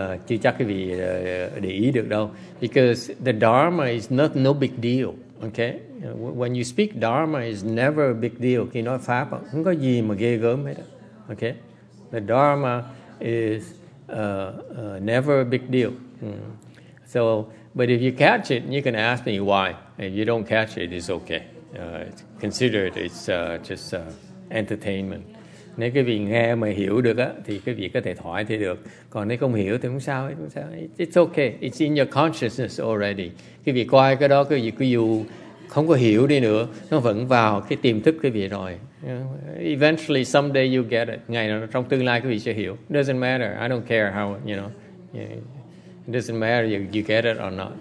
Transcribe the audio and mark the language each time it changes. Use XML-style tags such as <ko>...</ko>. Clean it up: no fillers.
<en>Because the Dharma is not no big deal. Okay, when you speak Dharma, it's never a big deal.</en> <vi>Khi nói pháp, không có gì mà ghê gớm hết.</vi> <en>Okay, the Dharma is never a big deal. So, but if you catch it, you can ask me why. If you don't catch it, it's okay. Consider it it's just entertainment.</en> <vi>Nếu quý vị nghe mà hiểu được á thì quý vị có thể thoải thì được, còn nếu không hiểu thì không sao, không sao.</vi> <en>It's okay, it's in your consciousness already.</en> <vi>Quý vị coi cái đó, quý vị cứ dù không có hiểu đi nữa, nó vẫn vào cái tiềm thức quý vị rồi.</vi> <en>Eventually someday you get it,</en> <vi>ngày nào trong tương lai quý vị sẽ hiểu.</vi> <en>It doesn't matter, I don't care how, you know, it doesn't matter you get it or not.</en>